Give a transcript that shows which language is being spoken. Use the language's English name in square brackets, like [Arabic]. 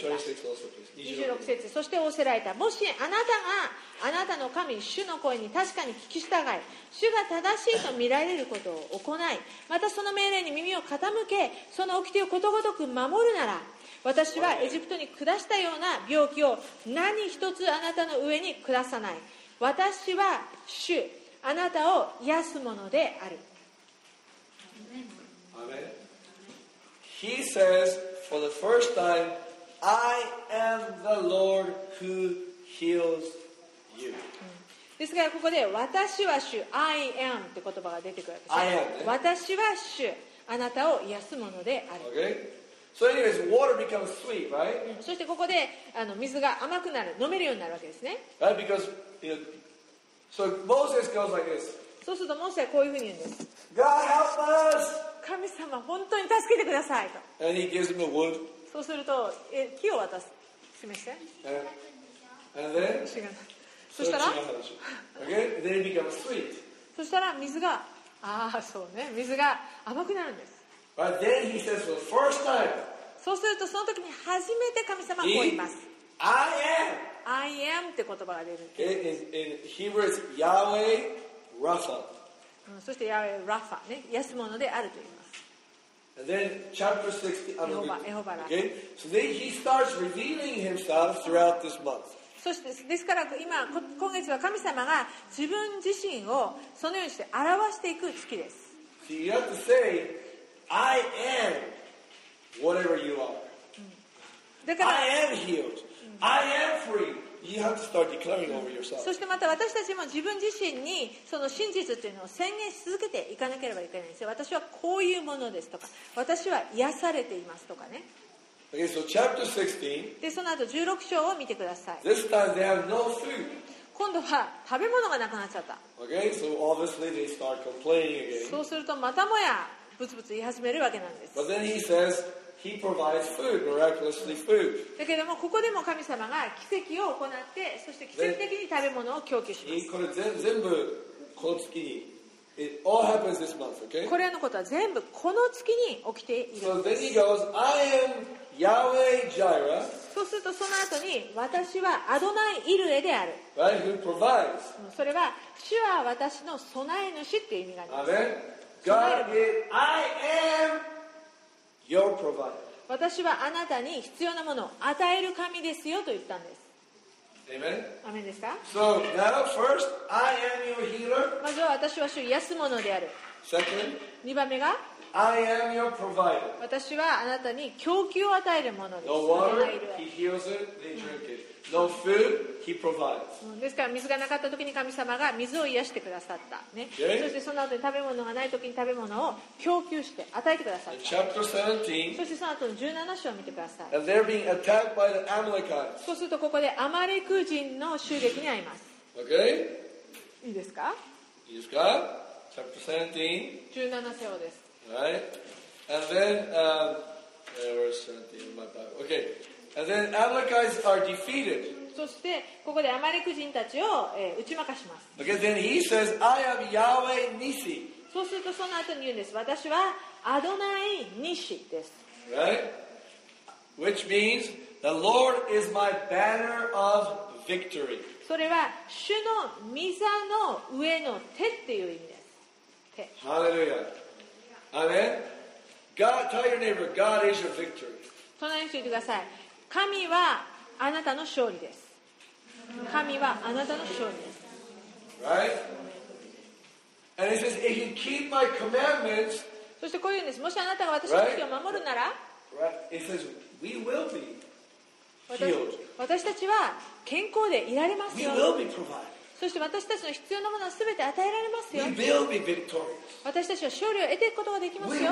[Japanese] 26節。そして仰せられた。もしあなたがあなたの神主の声に確かに聞き従い、主が正しいと見られることを行い、またその命令に耳を傾け、その掟をことごとく守るなら、私はエジプトに下したような病気を何一つあなたの上に下さない。私は主、あなたを癒すものである。アメン。 [English] He says, for the first time, I am the Lord who heals you. [Japanese] ですからここで私は主、 [English] I am [Japanese] って言葉が出てくるわけです。 [English] I am. [Japanese] 私は主、あなたを癒すものである。 [English] Okay. So anyways, water becomes sweet, right? [Japanese] そしてここで水が甘くなる、飲めるようになるわけですね。 [English] Right? Because, you know, so Moses goes like this. [Japanese] そうするとモーセはこういうふうに言うんです。 [English] God help us! [Japanese] 神様、本当に助けてくださいと。 [English] And he gives him a wood. [Japanese] そうすると、木を渡す。示して。 [English] And then? [Japanese] そしたら、 [English] okay? Then it becomes sweet. [Japanese] そしたら水が、そうね、水が甘くなるんです。 [English] But then he says for the first time. [Japanese] そうすると、その時に初めて神様が言います。 [English] I am! I am [Japanese] って言葉が出る。 [English] In Hebrew it's Yahweh Rapha. [Japanese] そしてヤウェラファね、癒すものであると言います。 [English] And then chapter 16, [Japanese] エホバラ、 [English] okay? So then he starts revealing himself throughout this month. [Japanese] そしてですから今今月は神様が自分自身をそのようにして表していく月です。 [English] So you have to say I am whatever you are、 [Japanese] だから [English] I am healed、I am freeYou have to start declaring over yourself. [Japanese] そしてまた私たちも自分自身にその真実というのを宣言し続けていかなければいけないんですよ。私はこういうものですとか、私は癒されていますとかね。 [English] Okay, so chapter 16. [Japanese] で、その後16章を見てください。 [English] This time they have no food. [Japanese] 今度は食べ物がなくなっちゃった。 [English] Okay, so obviously they start complaining again. [Japanese] そうするとまたもやブツブツ言い始めるわけなんです。 [English] But then he says,He provides food, miraculously food. [Japanese] だけどもここでも神様が奇跡を行って、そして奇跡的に食べ物を供給します。これ全部この月に [English] It all happens this month, okay? [Japanese] これらのことは全部この月に起きているんです。 [English] So then he goes, I am Yahweh Jireh. [Japanese] そうするとその後に私はアドナイイルエである。 [English] Right? Who provides? [Japanese] それは主は私の備え主っていう意味があります。 [English] Amen. God is I amYou're provided. [Japanese] 私はあなたに必要なものを与える神ですよと言ったんです。 [English] Amen. [Japanese] Amen ですか。 [English] So now first, I am your healer. [Japanese] まずは私は主、癒す者である。 [English] Second, [Japanese] 2番目が [English] I am your provider. [Japanese] 私はあなたに供給を与えるものです。 [English] No water, he heals it, they drink it. No food, he provides. [Japanese] ですから水がなかった時に神様が水を癒してくださった、ね [English] okay. [Japanese] そしてその後に食べ物がない時に食べ物を供給して与えてくださった。 [English] Chapter 17, [Japanese] そしてその後の17章を見てください。 [English] And they're being attacked by the Amalekites. [Japanese] そうするとここでアマレク人の襲撃に遭います。 [English] Okay. [Japanese] いいですか？いいですか？ [English] Chapter 17. [Japanese] 17章です。 [English] Right? And then, verse 17 in my Bible. Okay. And then Amalekites are defeated. [Japanese] そしてここでアマレク人たちを、打ち負かします。 [English] Okay. Then he says, I am Yahweh Nissi. [Japanese] そうするとその後に言うんです。私はアドナイニシです。 [English] Right? Which means the Lord is my banner of victory. [Japanese] それは主の御座の上の手っていう意味です。 [English] Hallelujah. Amen. God, tell your neighbor, God is your victory. [Japanese] 隣に言ってください。神はあなたの勝利です。神はあなたの勝利です。 [English] Right? And it says, if you keep my commandments, [Japanese] そしてこういうんです。もしあなたが私の命を守るなら、 [English] right? It says, we will be healed. [Japanese] 私たちは健康でいられますよ。 [English] We will be provided. [Japanese] そして私たちの必要なものはすべて与えられますよ。 [English] We will be victorious. [Japanese] 私たちは勝利を得ていくことができますよ。